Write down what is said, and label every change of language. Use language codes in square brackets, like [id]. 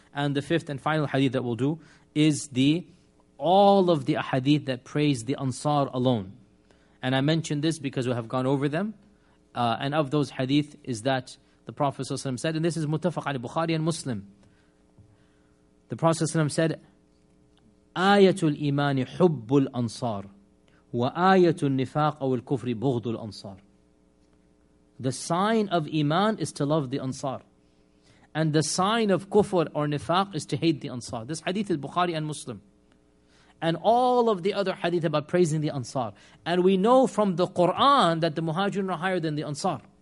[en] And the fifth and final hadith that we'll do is the all of the hadith that praise the Ansar alone. And I mentioned this because we have gone over them. And of those hadith is that the Prophet ﷺ said, and this is muttafaq al Bukhari and Muslim. [ar] The Prophet ﷺ said, آية الإيمان حب الأنصار وآية النفاق أو الكفر بغض الأنصار. [en] The sign of Iman is to love the Ansar. And the sign of kufr or nifaq is to hate the Ansar. This hadith is Bukhari and Muslim. And all of the other hadith about praising the Ansar. And we know from the Quran that the Muhajirun are higher than the Ansar.